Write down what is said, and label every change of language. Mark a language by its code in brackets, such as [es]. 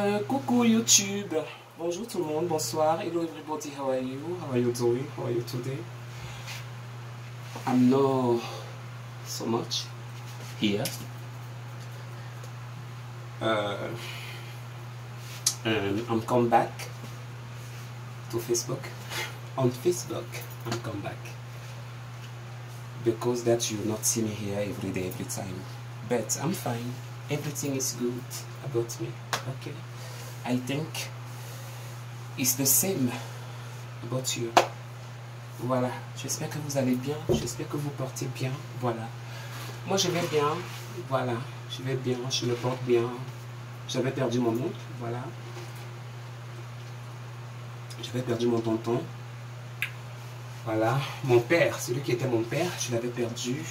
[fr] Coucou YouTube, bonjour tout le monde, bonsoir. [en] Hello everybody, how are you? How are you doing? How are you today? I'm not so much here. I'm come back to Facebook. On Facebook, I'm come back because that you not see me here every day, every time. But I'm fine. Everything is good about me. Okay. I think it's the same about you. [fr] Voilà. J'espère que vous allez bien. J'espère que vous portez bien. Voilà. Moi, je vais bien. Voilà. Je vais bien. Je me porte bien. J'avais perdu mon oncle. Voilà. J'avais perdu mon tonton. Voilà. Mon père, celui qui était mon père, je l'avais perdu.